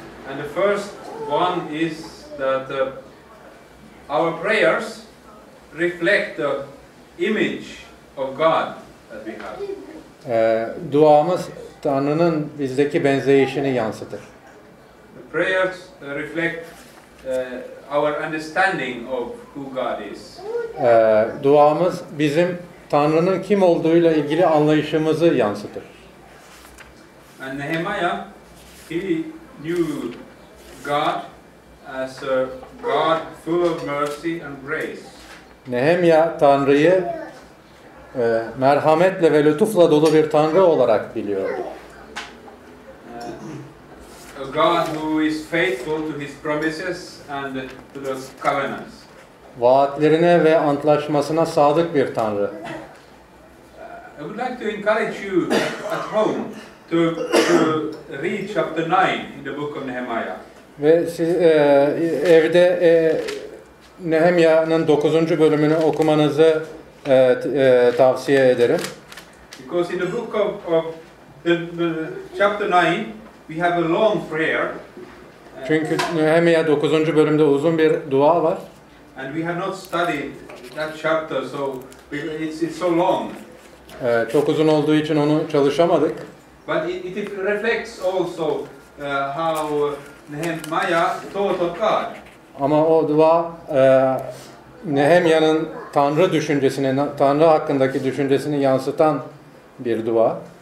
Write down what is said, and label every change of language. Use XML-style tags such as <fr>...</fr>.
<en>And the first one is that our prayers reflect the image of God that we have.</en> <tr>Duamız Tanrı'nın bizdeki benzeyişini yansıtır.</tr> <en>The prayers reflect our understanding of who God is.</en> <tr>Duamız bizim Tanrı'nın kim olduğuyla ilgili anlayışımızı yansıtır.</tr> <en>And Nehemiah, he knew God as a God full of mercy and grace.</en> <tr>Nehemiah Tanrı'yı merhametle ve lütufla dolu bir Tanrı olarak biliyordu.</tr> <en>A God who is faithful to his promises and to the covenants.</en> <tr>Vaatlerine ve antlaşmasına sadık bir Tanrı.</tr> <en>I would like to encourage you at home to read chapter 9 in the book of Nehemiah.</en> <tr>Ve siz evde Nehemiah'nın 9. bölümünü okumanızı tavsiye ederim.</tr> <en>Because in the book of the chapter 9 we have a long prayer.</en> <tr>Çünkü Nehemiah 9. bölümde uzun bir dua var.</tr> <en>And we have not studied that chapter, so it's so long.</en> <tr>Çok uzun olduğu için onu çalışamadık.</tr> <en>But it reflects also how Nehemiah thought of God.</en> <tr>Ama o dua Nehemiah'nın Tanrı düşüncesini, Tanrı hakkındaki düşüncesini yansıtan bir dua.</tr>